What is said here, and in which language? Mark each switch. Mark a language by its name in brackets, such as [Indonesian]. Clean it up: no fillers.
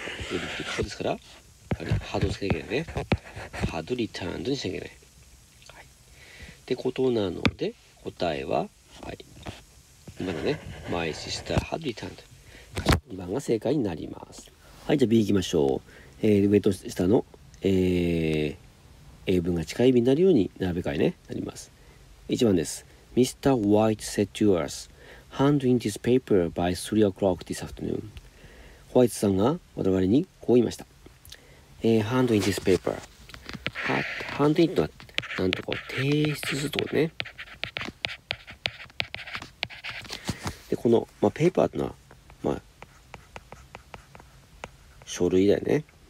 [Japanese] りここですから、ハードをつけなきゃいけないね、ハードリターンにしなきゃいけない、はい、ってことなので、答えは、はい、今のね、マイシスターハードリターン、2番が正解になります。はい、じゃあ B 行きましょう。上と下の、英文が近い意味になるように並べ替えね、なります。 1番です。Mr. [English] White said to us, hand in this paper by 3 o'clock this afternoon. [Japanese] ホワイトさんが我々にこう言いました。 [English] Hand in this paper. [Japanese] Hand in とは、なんとか提出するってことね。で、この、まあ、ペーパーってのは、まあ、書類だよね。